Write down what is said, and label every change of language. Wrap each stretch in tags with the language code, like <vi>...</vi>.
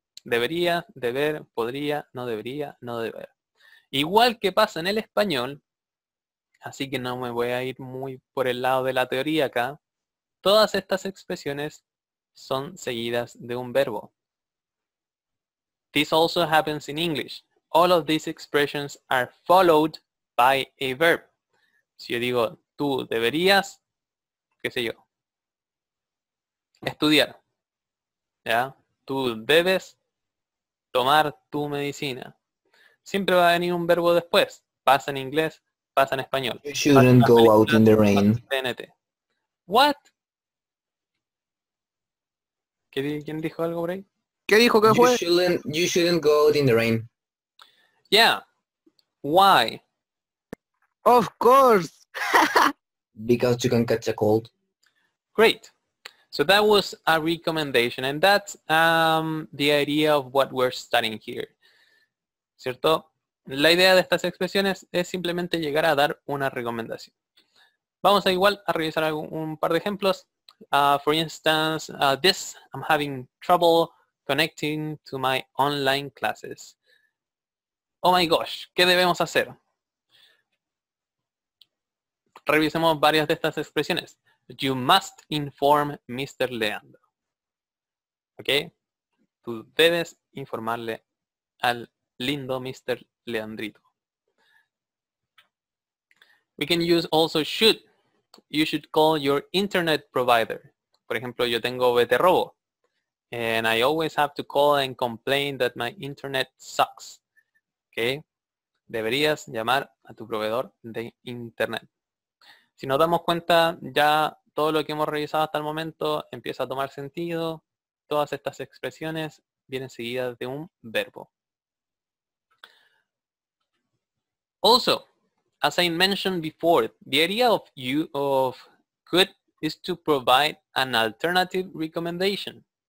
<es>Debería, deber, podría, no debería, no deber. Igual que pasa en el español, así que no me voy a ir muy por el lado de la teoría acá, todas estas expresiones son seguidas de un verbo.</es> <en>This also happens in English. All of these expressions are followed by a verb.</en> <es>Si yo digo, tú deberías, qué sé yo, estudiar. ¿Ya? Tú debes tomar tu medicina. Siempre va a venir un verbo después. Pasa en inglés, pasa en español.</es> <en>You shouldn't go out in the rain. TNT. What?</en> <es>¿Quién dijo algo por ahí? ¿Qué dijo que fue?</es> <en>You shouldn't go out in the rain. Yeah. Why? Of course. Because you can catch a cold. Great. So that was a recommendation. And that's the idea of what we're studying here.</en> <es>¿Cierto? La idea de estas expresiones es simplemente llegar a dar una recomendación. Vamos a igual a revisar un par de ejemplos.</es> <en>For instance, this, I'm having trouble connecting to my online classes. Oh my gosh,</en> <es>¿qué debemos hacer? Revisemos varias de estas expresiones.</es> <en>You must inform Mr. Leandro. ¿Ok?</en> <es>Tú debes informarle al lindo Mr. Leandrito.</es> <en>We can use also should. You should call your internet provider.</en> <es>Por ejemplo, yo tengo VT Robo.</es> <en>And I always have to call and complain that my internet sucks.</en> <es>Okay. Deberías llamar a tu proveedor de internet. Si nos damos cuenta, ya todo lo que hemos revisado hasta el momento empieza a tomar sentido. Todas estas expresiones vienen seguidas de un verbo.</es> <en>Also, as I mentioned before, the idea of you of could is to provide an alternative recommendation.</en>